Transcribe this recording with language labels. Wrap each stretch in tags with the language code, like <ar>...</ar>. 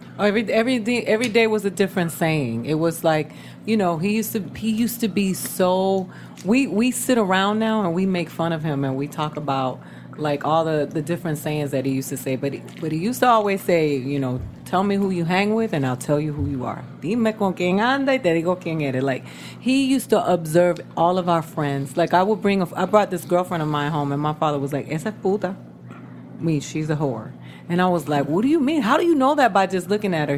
<en>Every day was a different saying. It was like, you know, he used to be so... We sit around now and we make fun of him and we talk about, like, all the different sayings that he used to say. But he used to always say, you know, tell me who you hang with and I'll tell you who you are.</en> <es>Dime con quien anda y te digo quien eres.</es> <en>Like, he used to observe all of our friends. Like, I brought this girlfriend of mine home and my father was like,</en> <es>esa puta.</es> <en>I mean, she's a whore. And I was like, what do you mean? How do you know that by just looking at her?</en>